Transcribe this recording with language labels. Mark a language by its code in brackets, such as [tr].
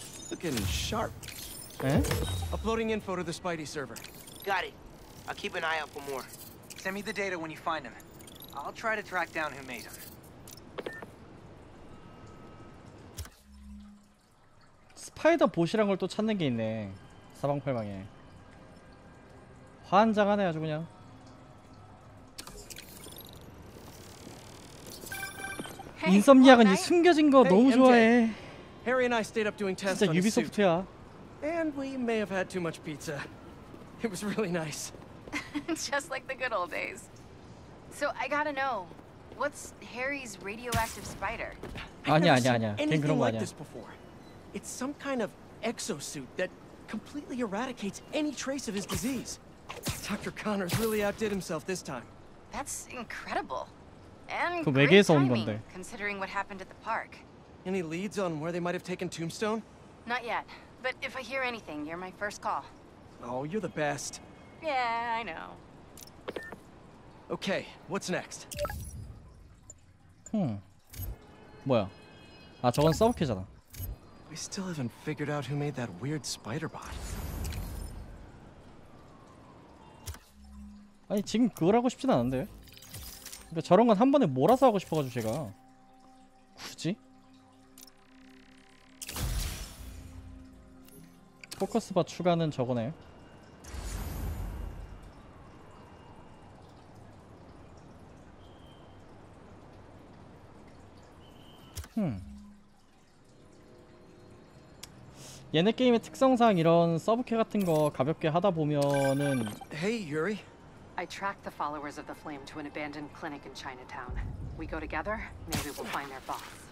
[en] Looking sharp. 에? Uploading info to the Spidey server. Got it. I'll keep an eye out for more. Send me the data when you find them. I'll try to track down who made them. [ko] 스파이더 봇이란 걸 또 찾는 게 있네. 사방팔방에. 환장하네 아주 그냥. 인섬니악은 이제 숨겨진 거 너무 좋아해. 진짜 유비소프트야. [en] And we may have had too much pizza. It was really nice. Just like the good old days. So I gotta know, what's Harry's radioactive spider? [ko] 아니야 아니야 아니야. 걘 그런 거 아니야. [en] It's some kind of exosuit that completely eradicates any trace of his disease. Dr. Connors really outdid himself this time. That's incredible. And great timing, considering what happened at the park. Any leads on where they might have taken Tombstone? Not yet. But if I hear anything, you're my first call. Oh, you're the best. Yeah, I know. Okay, what's next? [ko] Hmm. 뭐야? 아, 저건 서브캐잖아. [en] We still haven't figured out who made that weird spider bot. [ko] 아니 지금 그걸 하고 싶진 않은데. 그러니까 저런 건 한 번에 몰아서 하고 싶어가지고 제가 굳이. 포커스 바 추가는 저거네. 얘네 게임의 특성상 이런 서브캐 같은 거 가볍게 하다 보면은. [en] Hey, Yuri. I track the followers of the flame to an abandoned clinic in Chinatown. We go together, maybe we'll find their boss.